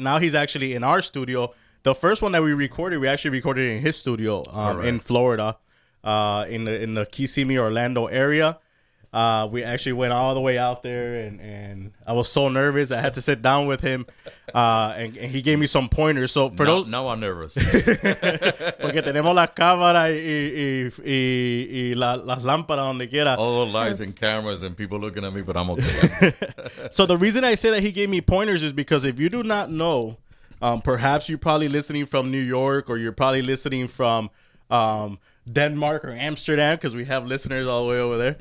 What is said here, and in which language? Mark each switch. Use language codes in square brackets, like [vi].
[en] Now he's actually in our studio. The first one that we recorded, we actually recorded in his studio in Florida, in the Kissimmee, Orlando area. We actually went all the way out there and I was so nervous. I had to sit down with him and he gave me some pointers. So for now I'm nervous. [es] Porque tenemos la cámara y la lámpara donde quiera. [en] All the lights and cameras and people looking at me, but I'm okay. So the reason I say that he gave me pointers is because if you do not know, perhaps you're probably listening from New York or you're probably listening from Denmark or Amsterdam, because we have listeners all the way over there.